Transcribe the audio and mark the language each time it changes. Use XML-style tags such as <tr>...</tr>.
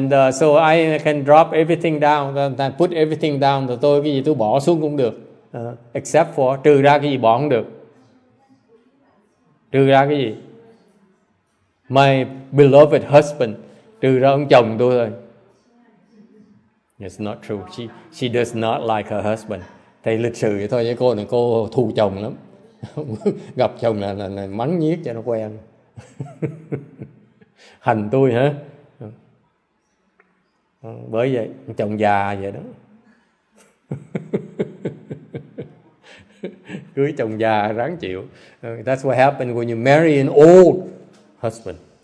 <en>So I can drop everything down, then put everything down.</en> <vi>Thì tôi cái gì tôi bỏ xuống cũng được.</vi> <en>Except for,</en> <vi>trừ ra cái gì bỏ không được. Trừ ra cái gì?</vi> <en>My beloved husband.</en> <vi>Trừ ra ông chồng tôi thôi.</vi> <en>It's not true. She does not like her husband.</en> <vi>Thầy lịch sự vậy thôi. Với cô này, cô thù chồng lắm. Gặp chồng là mắng nhiếc cho nó quen. Hành tôi hả? Bởi vậy, chồng già vậy đó. Cưới chồng già ráng chịu.</vi> <en>That's what happens when you marry an old husband.</en>